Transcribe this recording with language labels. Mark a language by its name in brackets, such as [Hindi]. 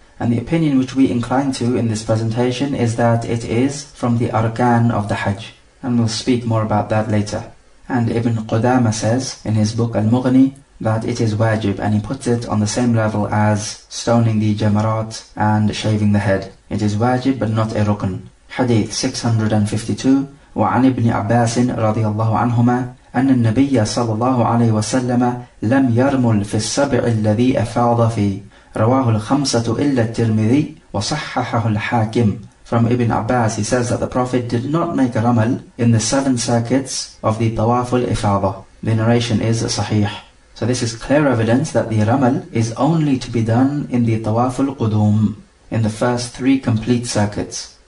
[English] And the opinion which we incline to in this presentation is that it is from the arkan of the Hajj. And we'll speak more about that later. And Ibn Qudama says in his book Al-Mughni that it is wajib, and he puts it on the same level as stoning the jamarat and shaving the head. It is wajib but not a rukn. Hadith 652. [Arabic] وَعَنِ ابْنِ عَبَّاسٍ رَضِيَ اللَّهُ عَنْهُمَا أَنَّ النَّبِيَّ صَلَى اللَّهُ عَلَيْهِ وَسَلَّمَ لَمْ يَرْمُلْ فِي السَّبْعِ الَّذِي أَفَاضَ فِيهِ رواه الخمسة إلا الترمذي وصححه الحاكم [English] From Ibn Abbas, he says that the Prophet did not make ramal in the 7 circuits of the Tawaf al-Ifadah. The narration is sahih. So this is clear evidence that the ramal is only to be done in the Tawaf al-Qudum, in the first 3 complete circuits.